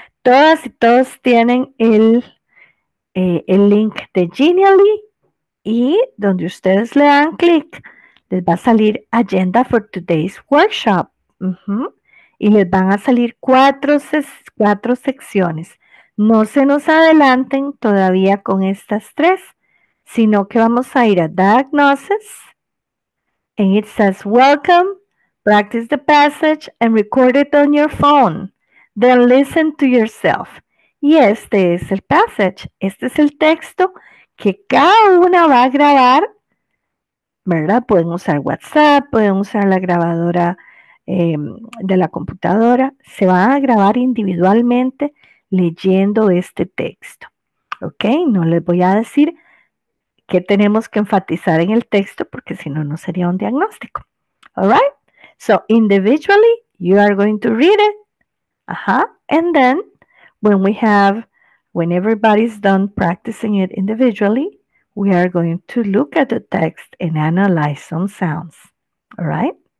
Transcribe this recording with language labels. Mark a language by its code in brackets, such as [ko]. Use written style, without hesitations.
[es] Todas y todos tienen el link de Genially y donde ustedes le dan clic, les va a salir Agenda for Today's Workshop. Y les van a salir cuatro secciones. No se nos adelanten todavía con estas tres, sino que vamos a ir a Diagnosis. [en] And it says, welcome, practice the passage and record it on your phone. Then listen to yourself. [es] Y este es el passage. Este es el texto que cada una va a grabar, ¿verdad? Pueden usar WhatsApp, pueden usar la grabadora de la computadora. Se van a grabar individualmente leyendo este texto. ¿Ok? No les voy a decir qué tenemos que enfatizar en el texto porque si no, no sería un diagnóstico. [en] All right? So, individually, you are going to read it. And then when everybody's done practicing it individually, we are going to look at the text and analyze some sounds. All right?